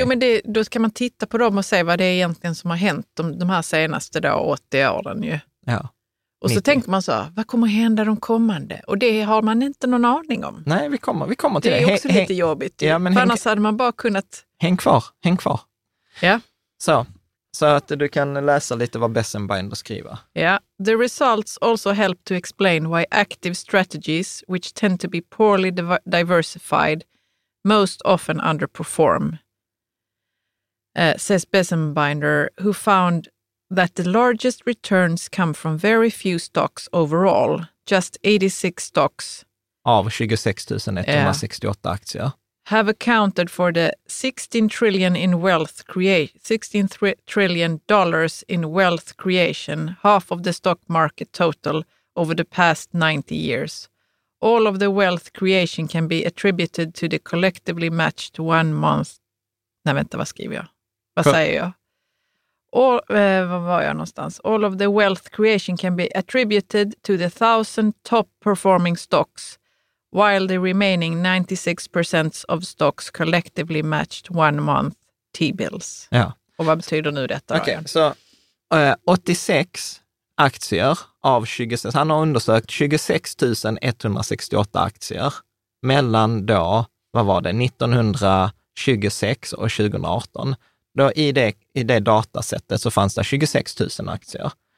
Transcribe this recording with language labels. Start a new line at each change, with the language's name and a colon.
Swedish: Jo, men då kan man titta på dem och se vad det är egentligen som har hänt de här senaste då, 80 åren ju. Ja. Och 90. Så tänker man så, vad kommer hända de kommande? Och det har man inte någon aning om. Nej, vi kommer till det. Det är också lite jobbigt. Ja, men annars hade man bara kunnat... Häng kvar. Ja. Så att du kan läsa lite vad Bessenbinder skriver.
English: Ja, the results also help to explain why active strategies, which tend to be poorly diversified, most often underperform. Says Bessenbinder, who found... that the largest returns come from very few stocks overall, just 86 stocks
Swedish: av 26,168 aktier
English: have accounted for the 16 trillion in wealth create $16 trillion in wealth creation, half of the stock market total over the past 90 years. All of the wealth creation can be attributed to the collectively matched one month.
Swedish: Nej, vänta, vad skriver jag? Vad säger jag? Var var jag någonstans? All of the wealth creation can be attributed to the 1,000 top performing stocks, while the remaining 96% of stocks collectively matched one month T-bills. Ja. Och vad betyder nu detta? Okej, så 86 aktier av 26, han har undersökt 26,168 aktier mellan då, vad var det, 1926 och 2018. Då i det datasättet så fanns det 26 000 aktier.